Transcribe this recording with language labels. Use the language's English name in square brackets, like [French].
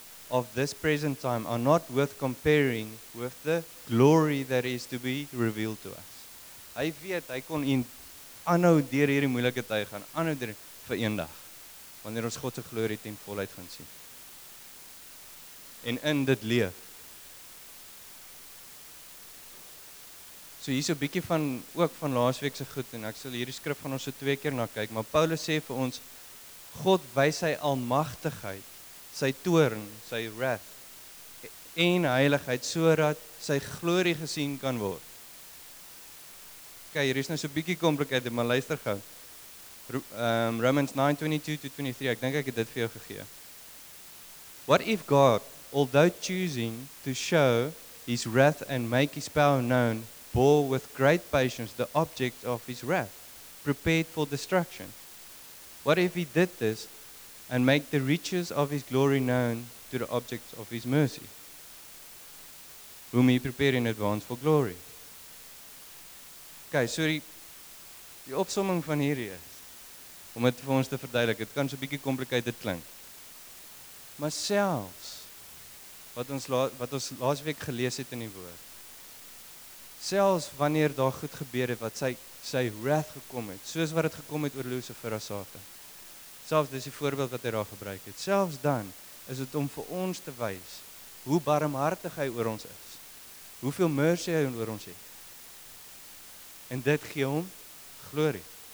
[English] of this present time are not worth comparing with the glory that is to be revealed to us. [Afrikaans] Hy weet, hy kon in aanhou deur hierdie moeilike tyd gaan, aanhou deur vir eendag, wanneer ons God se glorie ten volheid gaan sien. En in dit leef. So hier is 'n bietjie van, ook van laasweek se goed, en ek sal hierdie skrif van ons so twee keer na kyk, maar Paulus sê vir ons, God wys sy almagtigheid, sy toorn, sy wrath, en heiligheid, sodat sy glorie gesien kan word. Ok, hier is nou so bietjie complicated, maar luister gou. Romans 9:22-23, ek denk ek het dit vir jou gegee. [English] What if God, although choosing to show his wrath and make his power known, bore with great patience the object of his wrath, prepared for destruction? What if he did this and make the riches of his glory known to the objects of his mercy, whom he prepared in advance for glory? [Afrikaans] Okay, so die opsomming van hierdie is, om dit vir ons te verduidelik, dit kan so 'n bietjie complicated klink. Maar selfs, wat ons laasweek gelees het in die woord, selfs wanneer daar goed gebeur het, wat sy wrath gekom het, soos wat het gekom het oor Lucifer as Satan, selfs dis die voorbeeld wat hy daar gebruik het, selfs dan is het om vir ons te wys, hoe barmhartig hy oor ons is, hoeveel mercy hy oor ons het, en dit gee hom glorie.